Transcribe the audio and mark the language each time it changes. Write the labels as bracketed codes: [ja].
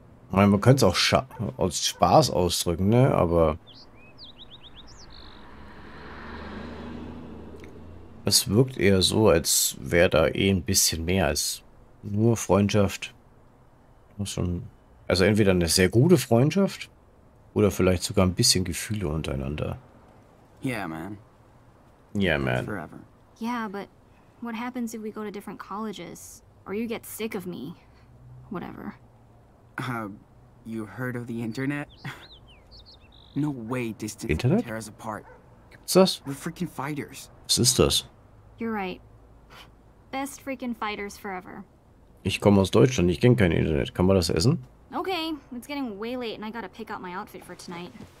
[de] Ich meine, man könnte es auch aus Spaß ausdrücken, ne? Aber es wirkt eher so, als wäre da eh ein bisschen mehr als nur Freundschaft. Also entweder eine sehr gute Freundschaft oder vielleicht sogar ein bisschen Gefühle untereinander. [en] Yeah, man. Yeah, man. Forever. Yeah, but what happens if we go to different colleges? Or you get sick of me? Whatever. You heard of the internet? No way distance internet? Tears apart. What's this? We're freaking fighters. [de] Was ist das? [en] You're right. Best freaking fighters forever. [de] Ich komme aus Deutschland, ich kenne kein Internet. Kann man das essen? [en] Okay, it's getting way late and I gotta pick out my outfit for tonight.